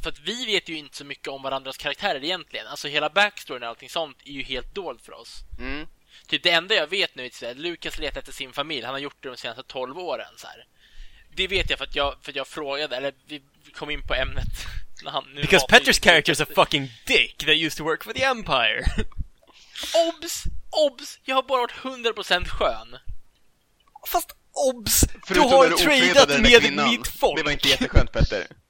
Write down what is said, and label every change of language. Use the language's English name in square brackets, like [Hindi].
[Swedish] För att vi vet ju inte så mycket om varandras karaktärer egentligen. Alltså hela backstoryn och allting sånt är ju helt dolt för oss. Typ det enda jag vet nu är att Lucas letar efter sin familj. Han har gjort det de senaste 12 åren så här. Det vet jag för att jag frågade, eller vi kom in på ämnet när han nu. [English] Because Petrus character is a fucking dick that used to work for the Empire. [Swedish] Obs, jag har bara varit 100% skön. Fast obs, förutom du har tradat med kvinnan, mitt folk. Det var inte jätteskönt, Petter.